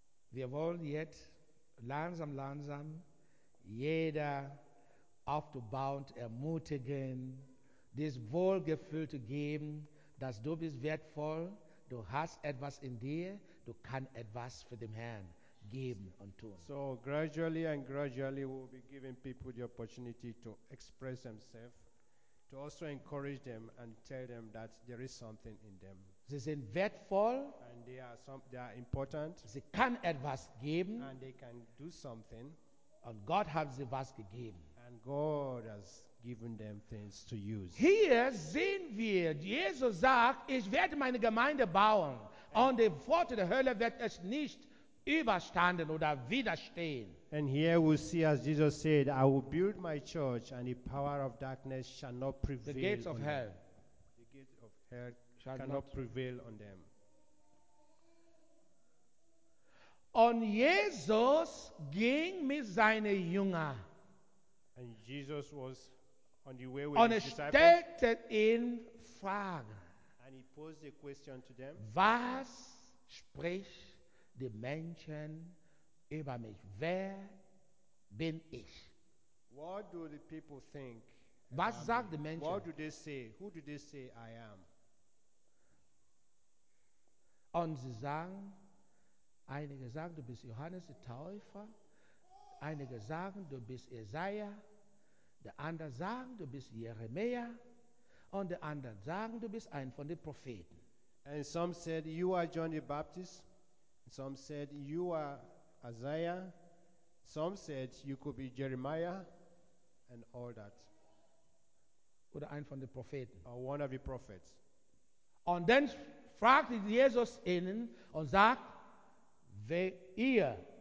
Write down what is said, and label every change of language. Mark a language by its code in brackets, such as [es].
[de] Wir wollen jetzt langsam jeder aufzubauen, ermutigen, dieses Wohlgefühl zu geben, dass du bist wertvoll, du hast etwas in dir, du kannst etwas für den Herrn geben und tun. [en] So gradually we'll be giving people the opportunity to express themselves, to also encourage them and tell them that there is something in them. [de] Sie sind wertvoll. [en] And they are important. [de] Sie kann etwas geben. [en] And they can do something. [de] Und Gott hat sie was gegeben. [en] And God has given them things to use. [de] Hier sehen wir, Jesus sagt, ich werde meine Gemeinde bauen. Und die Pforte der Hölle wird es nicht überstanden oder widerstehen. [en] And here we see, as Jesus said, I will build my church and the power of darkness shall not prevail. The gates of hell. The gates of hell cannot prevail on them. [de] Und Jesus ging mit seinen Jüngern. [en] And Jesus was on the way with his disciples. [de] Und stellte ihn Fragen. [en] And he posed a question to them. [de] Was spricht die Menschen über mich? Wer bin ich? [en] What do the people think? [de] Was sagt die Menschen? [en] What do they say? Who do they say I am? [de] Und sie sagen, einige sagen, du bist Johannes der Täufer, einige sagen, du bist Jesaja, der andere sagen, du bist Jeremia, und der andere sagen, du bist ein von den Propheten. [en] And some said, you are John the Baptist, some said, you are Isaiah, some said, you could be Jeremiah, and all that. [de] Oder ein von den Propheten. [en] Or one of the prophets. [de] Und dann fragt Jesus ihnen und sagt, wer ihr?